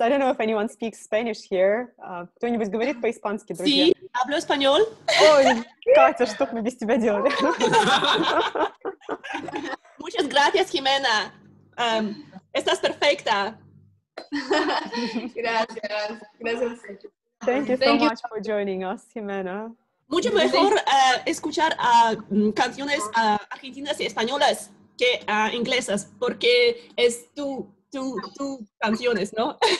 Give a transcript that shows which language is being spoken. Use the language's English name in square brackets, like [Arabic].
[English] I don't know if anyone speaks Spanish here. [Russian] Кто-нибудь говорит по-испански, друзья? [Spanish] Sí, hablo español. [Russian] Ой, Катя, что мы без тебя делали? [Spanish] Muchas gracias, Jimena. Estás perfecta. Gracias. [English] Thank you so much for joining us, Jimena. [Spanish] Mucho mejor escuchar canciones argentinas y españolas que inglesas, porque es tu canciones, ¿no?